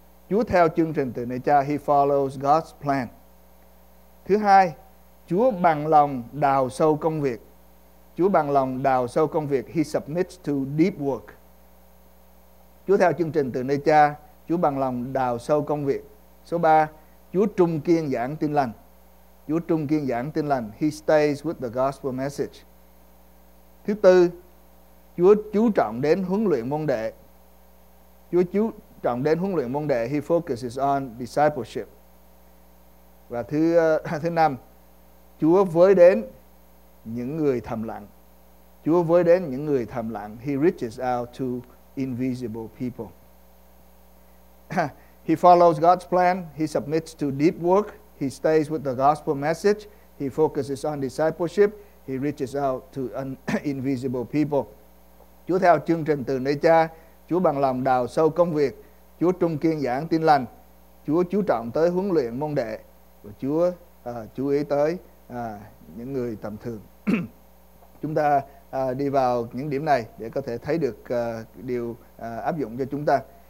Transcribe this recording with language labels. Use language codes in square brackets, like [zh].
[vi] Chúa theo chương trình từ nơi Cha. [en] He follows God's plan. [vi] Thứ hai, Chúa bằng lòng đào sâu công việc. Chúa bằng lòng đào sâu công việc. [en] He submits to deep work. [vi] Chúa theo chương trình từ nơi Cha. Chúa bằng lòng đào sâu công việc. Số 3, Chúa trung kiên giảng tin lành. Chúa trung kiên giảng tin lành. [en] He stays with the gospel message. [vi] Thứ tư, Chúa chú trọng đến huấn luyện môn đệ. Chúa chú trọng đến huấn luyện môn đệ. [en] He focuses on discipleship. [vi] Và thứ năm, Chúa với đến những người thầm lặng. Chúa với đến những người thầm lặng. [en] He reaches out to invisible people. He follows God's plan. He submits to deep work. He stays with the gospel message. He focuses on discipleship. He reaches out to invisible people. [vi] Chúa theo chương trình từ nơi Cha. Chúa bằng lòng đào sâu công việc. Chúa trung kiên giảng tin lành. Chúa chú trọng tới huấn luyện môn đệ. Và Chúa chú ý tới những người tầm thường. Chúng ta đi vào những điểm này để có thể thấy được điều áp dụng cho chúng ta.